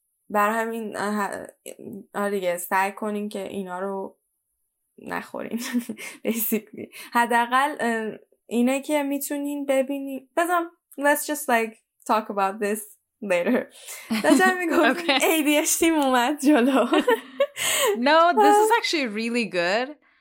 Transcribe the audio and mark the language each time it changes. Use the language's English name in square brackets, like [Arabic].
[Persian] بر همین آره دیگه سعی کنین که اینا رو نخورین بسیکلی. حداقل اینه که میتونین ببینین. بذارم [English] let's just like talk about this later. [Persian] داشتم میگفتم ADHD اومد جلو. [English] No, this is actually really good.